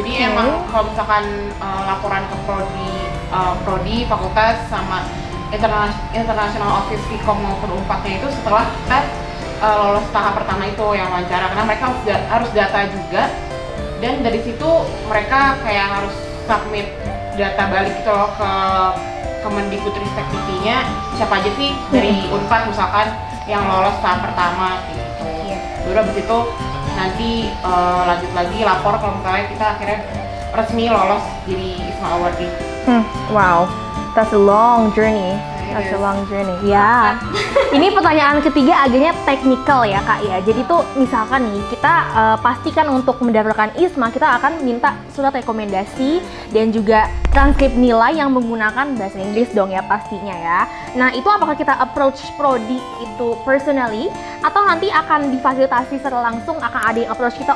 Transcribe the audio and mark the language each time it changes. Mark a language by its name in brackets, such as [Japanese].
[Indonesian] Jadi emang kalau misalkan laporan ke prodi fakultas sama international office di komo perumpatnya itu setelah kita lolos tahap pertama itu yang wawancara, karena mereka harus data juga, dan dari situ mereka kayak harus submit data balik gitu loh ke Kemendikbudristek-nya, siapa aja sih dari UNPAD misalkan yang lolos tahap pertama gitu. Baru abis itu nanti lanjut lagi lapor kalau misalnya kita akhirnya resmi lolos jadi ISMA Award gitu. [English] Wow, that's a long journey. That's a long journey. Ya. Yeah. [Indonesian] Ini pertanyaan ketiga agaknya teknikal ya kak ya. Jadi tuh misalkan nih kita pastikan untuk mendaftarkan ISMA kita akan minta surat rekomendasi dan juga transkrip nilai yang menggunakan bahasa Inggris dong ya pastinya ya. Nah itu apakah kita approach prodi itu personally atau nanti akan difasilitasi secara langsung akan ada yang approach kita.